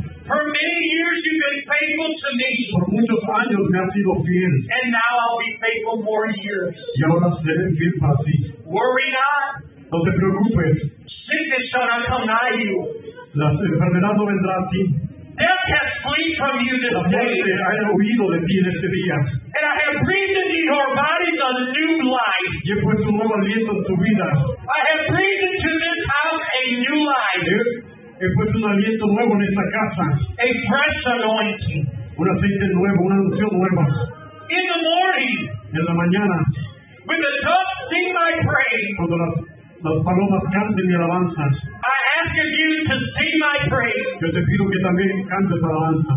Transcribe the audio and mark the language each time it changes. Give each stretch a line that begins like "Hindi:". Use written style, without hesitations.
English: For many years you've been faithful to me.
Spanish: Por muchos años me has sido fiel.
English: And now I'll be faithful more years.
Spanish: Y ahora seré fiel para ti.
English: Worry not.
Spanish: No te preocupes.
English: Sickness shall not come nigh you.
Spanish: La enfermedad no vendrá a ti.
English: Death has fled from you this
Spanish: la muerte
English: day.
Spanish: Ha huido de ti en este día.
English: And I have breathed into your bodies a new life.
Spanish: Y he puesto un nuevo aliento en tu vida.
English: I have breathed into this house a new life.
Spanish: He puesto un aliento nuevo en esta casa.
English: A fresh anointing.
Spanish: Un aceite nuevo, una unción nueva.
English: In the morning.
Spanish: En la mañana.
English: When the doves sing my praise.
Spanish: Cuando las palomas canten mi alabanza.
English: I ask of you to sing my praise.
Spanish: Yo te pido que también cantes alabanza.